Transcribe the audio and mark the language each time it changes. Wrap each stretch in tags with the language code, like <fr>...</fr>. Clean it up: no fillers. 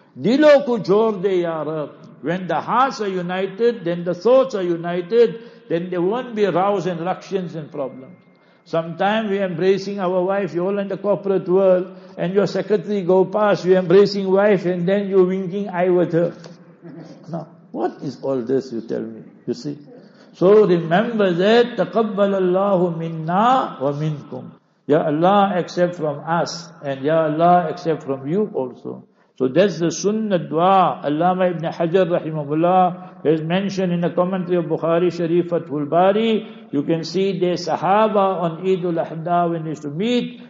<ur>Diloku jorde ya Rab.</ur> <en>When the hearts are united, then the thoughts are united, then there won't be rows and ructions and problems. Sometimes we're embracing our wife, you're all in the corporate world, and your secretary go past, you're embracing wife, and then you're winking eye with her. Now, what is all this, you tell me, you see? So remember that,</en> <ar>تقبل الله منا ومنكم.</ar> <en>Ya Allah, accept from us, and Ya Allah, accept from you also. So that's the sunnah dua. Allama Ibn Hajar rahimahullah has mentioned in the commentary of Bukhari Sharif at Bukhari. You can see the sahaba on Eid al-Adha when they used to meet.</en>